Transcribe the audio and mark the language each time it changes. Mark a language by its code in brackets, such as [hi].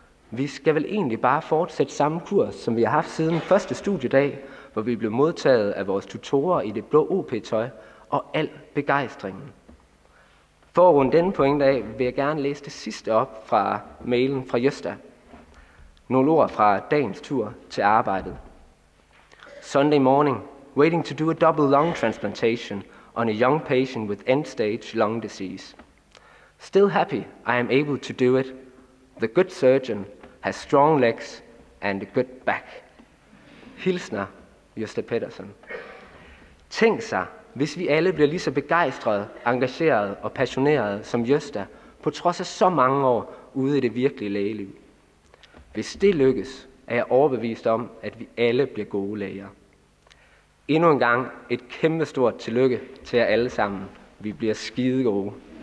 [da] Vi skal vel egentlig bare fortsætte samme kurs, som vi har haft siden første studiedag, hvor vi blev modtaget af vores tutorer i det blå OP-tøj og al begejstringen. For at runde denne pointe af, vil jeg gerne læse det sidste op fra mailen fra Gösta. Nogle ord fra dagens tur til arbejdet. [en] Sunday morning, waiting to do a double lung transplantation on a young patient with end-stage lung disease. Still happy I am able to do it. The good surgeon has strong legs and a good back. Hilsner, Gösta Pettersson. [da] Tænk sig, hvis vi alle bliver lige så begejstrede, engagerede og passionerede som Gösta, på trods af så mange år ude i det virkelige lægeliv. Hvis det lykkes, er jeg overbevist om, at vi alle bliver gode læger. Endnu en gang et kæmpestort tillykke til jer alle sammen. Vi bliver skide gode.